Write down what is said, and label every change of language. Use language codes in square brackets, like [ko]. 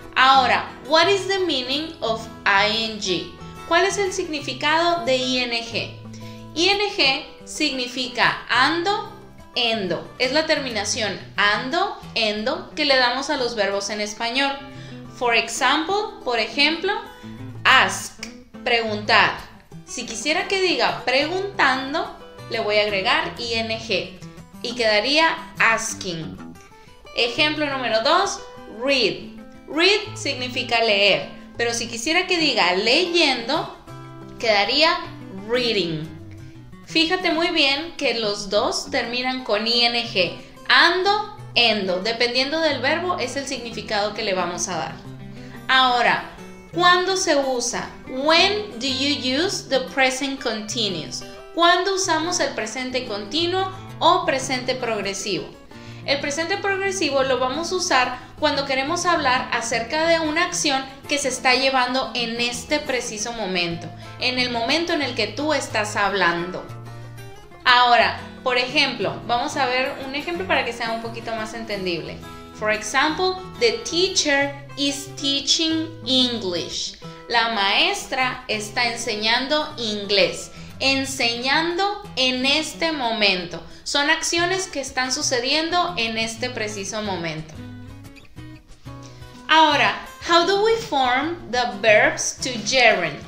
[en] Ahora, what is the meaning of ing? [es] ¿Cuál es el significado de ing? ING significa ando, endo. Es la terminación ando, endo, que le damos a los verbos en español. [en] For example, [es] por ejemplo, ask, preguntar. Si quisiera que diga preguntando, le voy a agregar ing y quedaría asking. Ejemplo número 2, read. Read significa leer, pero si quisiera que diga leyendo, quedaría reading. Fíjate muy bien que los dos terminan con ing, ando, endo. Dependiendo del verbo, es el significado que le vamos a dar. Ahora, ¿cuándo se usa? [en] When do you use the present continuous? [es] ¿Cuándo usamos el presente continuo o presente progresivo? El presente progresivo lo vamos a usar cuando queremos hablar acerca de una acción que se está llevando en este preciso momento, en el momento en el que tú estás hablando. Ahora, por ejemplo, vamos a ver un ejemplo para que sea un poquito más entendible. [en] For example, the teacher is teaching English. [es] La maestra está enseñando inglés. Enseñando en este momento. Son acciones que están sucediendo en este preciso momento. [en] Ahora, how do we form the verbs to gerund?